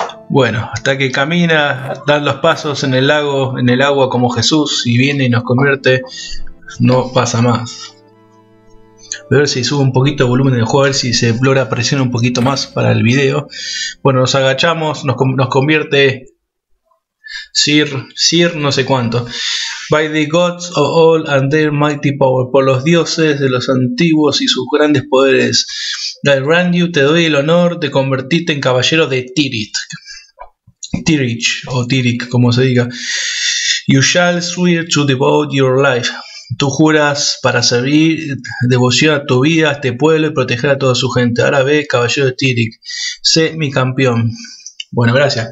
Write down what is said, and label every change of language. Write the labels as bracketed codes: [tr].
[es] Bueno, hasta que camina, dan los pasos en el lago, en el agua como Jesús, y viene y nos convierte, no pasa más. Voy a ver si sube un poquito el volumen del juego, a ver si se logra presionar un poquito más para el video. Bueno, nos agachamos, nos convierte Sir no sé cuánto. [en] By the gods of all and their mighty power. [es] Por los dioses de los antiguos y sus grandes poderes. [en] I grant you, [es] te doy el honor de convertirte en caballero de Tirith. Tirith o Tirith, como se diga. [en] You shall swear to devote your life. [es] Tú juras para servir devoción a tu vida, a este pueblo y proteger a toda su gente. Ahora ve, caballero de Tirith. Sé mi campeón. Bueno, gracias.